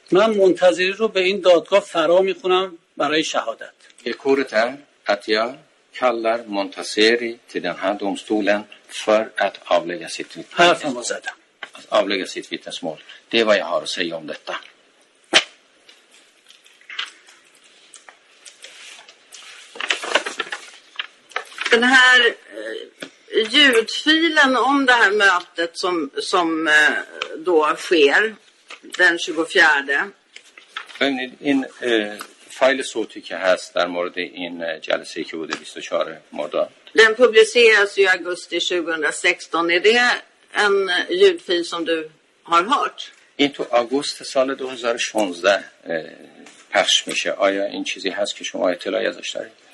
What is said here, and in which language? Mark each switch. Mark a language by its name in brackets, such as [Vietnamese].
[Persian] من منتظری رو به این دادگاه فرا میخونم برای شهادت [Swedish] کورتا اتیا kallar Montazeri till den här domstolen för att avlägga sitt vittnesmål. Att avlägga sitt vittnesmål. Det är vad jag har att säga om detta. Den här ljudfilen om det här mötet som då sker den 24. [Persian] فایل صوتی که هست در مورد این جلسه که بوده 24 مرداد. [Swedish] Den publiceras i augusti 2016. Är det en ljudfil som du har hört? [Persian] این تو آگوست سال 2016 پخش میشه. آیا این چیزی هست که شما اطلاعی ازش دارید؟